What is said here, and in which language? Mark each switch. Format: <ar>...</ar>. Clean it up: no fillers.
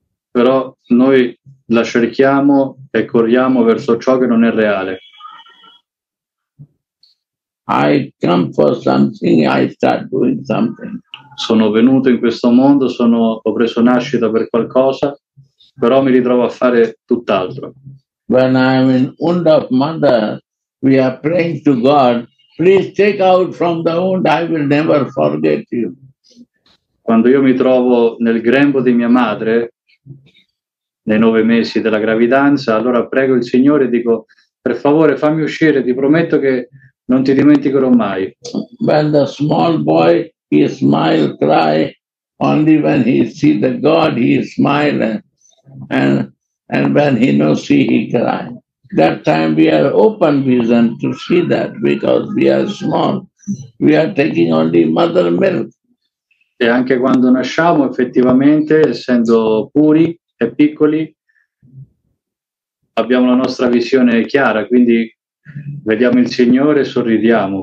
<it>Però noi la cerchiamo e corriamo verso ciò che non è reale.</it> <en>I come for something, I start doing something.</en> <it>Sono venuto in questo mondo, ho preso nascita per qualcosa, però mi ritrovo a fare tutt'altro.</it> <en>When I am in womb of mother, we are praying to God, please take out from the womb, I will never forget you.</en> <it>Quando io mi trovo nel grembo di mia madre, nei 9 mesi della gravidanza, allora prego il Signore e dico, per favore fammi uscire, ti prometto che non ti dimenticherò mai.</it> <en>When the small boy, he smile, cry, only when he see the God, he smile, and when he no see, he cry. That time we are open vision to see that, because we are small, we are taking only mother milk.</en> <it>E anche quando nasciamo, effettivamente, essendo puri e piccoli, abbiamo la nostra visione chiara, quindi vediamo il Signore e sorridiamo.</it>